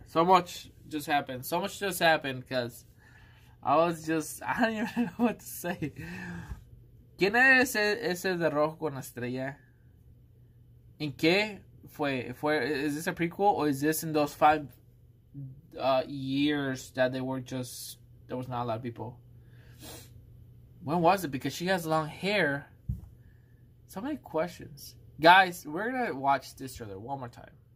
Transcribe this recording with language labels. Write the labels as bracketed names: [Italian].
[English] So much just happened because I don't even know what to say. [Spanish] ¿Quién es ese de rojo con la estrella? ¿En qué fue? [English] Is this a prequel or is this in those 5 years that there was not a lot of people? When was it? Because she has long hair. So many questions. Guys, we're going to watch this trailer one more time.